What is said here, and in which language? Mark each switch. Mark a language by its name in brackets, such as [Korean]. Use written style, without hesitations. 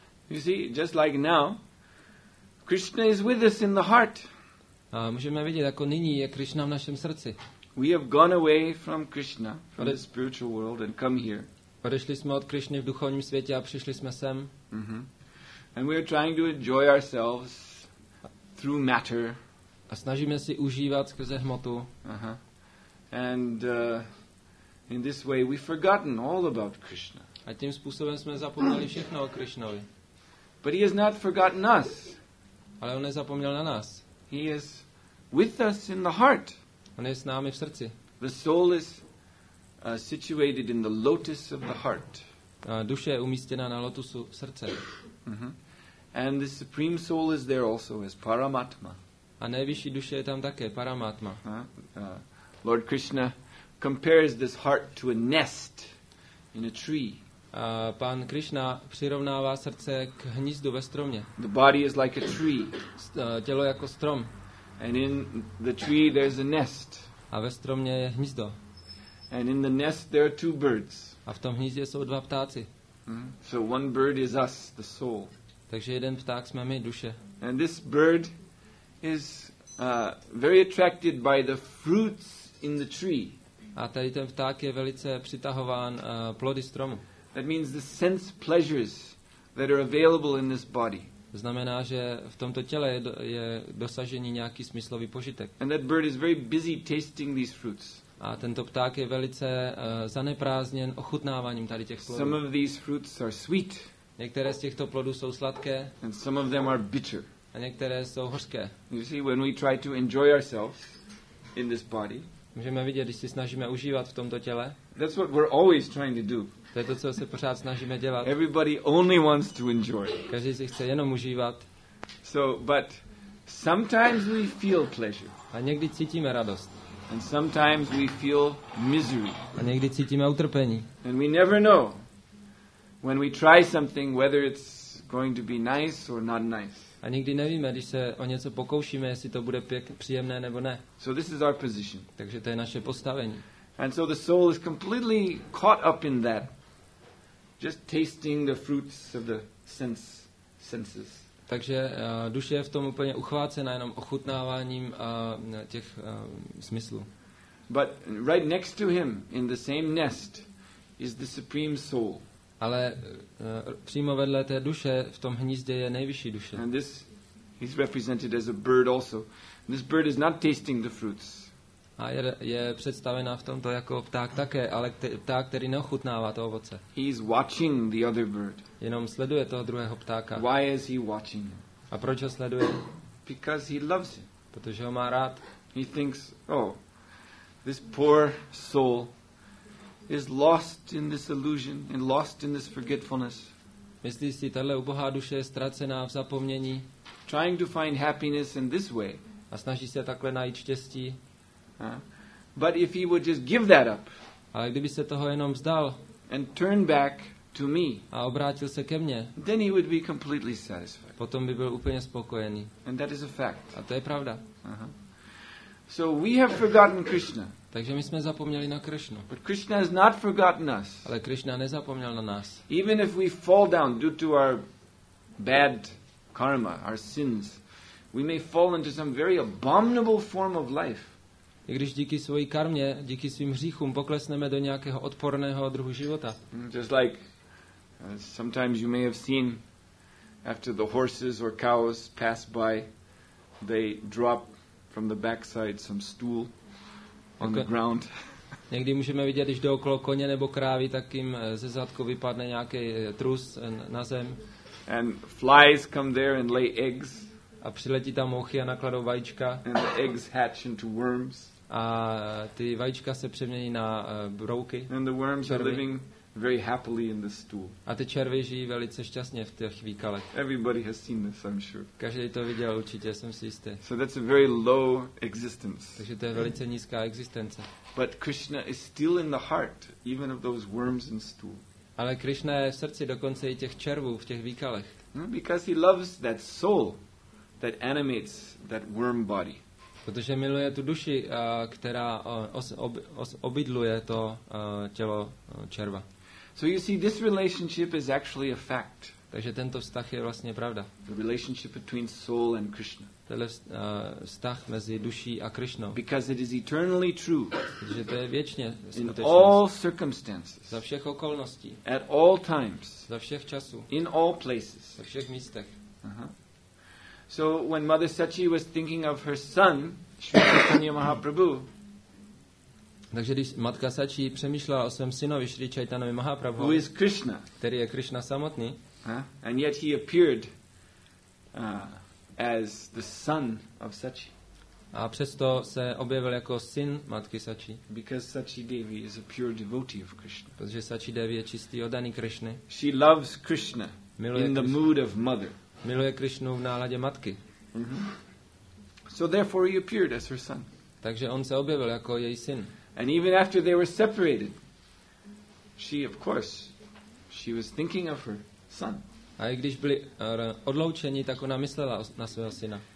[English] You see, just like now, Krishna is with us in the heart. [Czech] A můžeme vidět, jako nyní je Krishna v našem srdci. [English] We have gone away from Krishna, from the spiritual world, and come here. [Czech] Odešli jsme od Krishny v duchovním světě a přišli jsme sem. Mm-hmm. [English] And we are trying to enjoy ourselves through matter. [Czech] A snažíme si užívat skrze hmotu. Uh-huh. [English] And in this way we've forgotten all about Krishna. [Czech] A tím způsobem jsme zapomněli všechno o Krishnovi. [English] But he has not forgotten us. [Czech] Ale on nezapomněl na nás. [English] He is with us in the heart. [Czech] On je s námi v srdci. [English] The soul is situated in the lotus of the heart. [Czech] A duše je umístěna na lotusu srdce. Uh-huh. [English] And the supreme soul is there also as Paramatma. [Czech] A nejvyšší duše je tam také, Paramatma. [English] Lord Krishna compares this heart to a nest in a tree. [Czech] Pan Krishna přirovnává srdce k hnízdu ve stromě. [English] The body is like a tree. [Czech] Tělo jako strom. [English] And in the tree there's a nest. [Czech] A ve stromě je hnízdo. [English] And in the nest there are two birds. [Czech] A v tom hnízdě jsou dva ptáci. Mm-hmm. [English] So one bird is us, the soul. [Czech] Takže jeden pták jsme my, duše. [English] And this bird is very attracted by the fruits in the tree. [Czech] A tady ten pták je velice přitahován plody stromu. [English] That means the sense pleasures that are available in this body. [Czech] Znamená, že v tomto těle je dosažení nějaký smyslový požitek. [English] And that bird is very busy tasting these fruits. [Czech] A tento pták je velice zaneprázdněn ochutnáváním tady těch plodů. [English] Some of these fruits are sweet. [Czech] Některé z těchto plodů jsou sladké. [English] And some of them are bitter. [Czech] A některé jsou hořké. [English] You see, when we try to enjoy ourselves in this body, [Czech] můžeme vidět, když si snažíme užívat v tomto těle. [English] That's what we're always trying to do. [Czech] To je to, co se pořád snažíme dělat. [English] Everybody only wants to enjoy. [Czech] Každý si chce jenom užívat. [English] So, but sometimes we feel pleasure. [Czech] A někdy cítíme radost. [English] And sometimes we feel misery. [Czech] A někdy cítíme utrpení. [English] And we never know when we try something whether it's going to be nice or not nice. [Czech] A nikdy nevíme, když se o něco pokoušíme, jestli to bude příjemné nebo ne. [English] So this is our position. [Czech] Takže to je naše postavení. [English] And so the soul is completely caught up in that. Just tasting the fruits of the senses. [Czech] Takže duše je v tom úplně uchvácena jenom ochutnáváním těch smyslů. [English] But right next to him in the same nest is the supreme soul. [Czech] Ale přímo vedle té duše v tom hnízdě je nejvyšší duše. [English] And this is represented as a bird also. And this bird is not tasting the fruits. [Czech] A je představená v tomto jako pták také, ale pták, který neochutnává to ovoce. [English] He is watching the other bird. [Czech] Jenom sleduje toho druhého ptáka. [English] Why is he watching him? [Czech] A proč ho sleduje? [English] Because he loves him. [Czech] Protože ho má rád. [English] He thinks, oh, this poor soul is lost in this illusion and lost in this forgetfulness. [Czech] Myslí si, tahle ubohá duše je ztracená v zapomnění. [English] Trying to find happiness in this way. [Czech] A snaží se takhle najít štěstí. [English] But if he would just give that up. [Czech] Ale kdyby se toho jenom vzdal. [English] And turn back to me. [Czech] A obrátil se ke mně. [English] Then he would be completely satisfied. [Czech] Potom by byl úplně spokojený. [English] And that is a fact. [Czech] A to je pravda. [English] So we have forgotten Krishna. [Czech] Takže my jsme zapomněli na Krishnu. [English] But Krishna has not forgotten us. [Czech] Ale Krishna nezapomněl na nás. [English] Even if we fall down due to our bad karma, our sins, we may fall into some very abominable form of life. [Czech] I když díky své karmě, díky svým hříchům poklesneme do nějakého odporného druhu života. [English] Just like sometimes you may have seen after the horses or cows pass by, they drop from the backside some stool on the ground. [Czech] Někdy můžeme vidět, když jde okolo koně nebo krávy, tak jim ze zadku vypadne nějaký trus na zem. [English] And flies come there and lay eggs. [Czech] A přiletí tam mouchy a nakladou vajíčka. [English] And the eggs hatch into worms. [Czech] A ty vajíčka se přemění na brouky. [English] And the worms [Czech] červy. [English] Are living very happily in the stool. [Czech] A ty červy žijí velice šťastně v těch výkalech. [English] Everybody has seen this, I'm sure. [Czech] Každý to viděl určitě, jsem si jistý. [English] So that's a very low existence. [Czech] Takže to je velice nízká existence. [English] But Krishna is still in the heart even of those worms in stool. [Czech] Ale Krishna je v srdci dokonce i těch červů v těch výkalech. [English] Because he loves that soul that animates that worm body. [Czech] Protože miluje tu duši, která obydluje to tělo červa. [English] So you see, this relationship is actually a fact. [Czech] Takže tento vztah je vlastně pravda. [English] The relationship between soul and Krishna. [Czech] Tento vztah mezi duší a Krishnou. [English] Because it is eternally true. [Czech] Protože to je věčně skutečnost. [English] In all circumstances. [Czech] Za všech okolností. [English] At all times. [Czech] Za všech časů. [English] In all places. [Czech] Ve všech místech. [English] So when Mother Sachi was thinking of her son, Sri Chaitanya Mahaprabhu. [Czech] Takže když matka Sachi přemýšlela o svém synovi Sri Chaitanya Mahaprabhu. [English] Who is Krishna? [Czech] Který je Krishna samotný. [English] And yet he appeared as the son of Sachi. [Czech] A přesto se objevil jako syn matky Sachi. [English] Because Sachi Devi is a pure devotee of Krishna. [Czech] Protože Sachi Devi je čistý oddaný Krishny. [English] She loves Krishna. [Czech] Miluje [English] in the Krishna. Mood of mother. [Czech] Miluje Krishnu v náladě matky. [English] So therefore he appeared as her son. [Czech] Takže on se objevil jako její syn. [English] And even after they were separated, she of course she was thinking of her son. [Czech] A i když byli odloučeni, tak ona myslela na svého syna.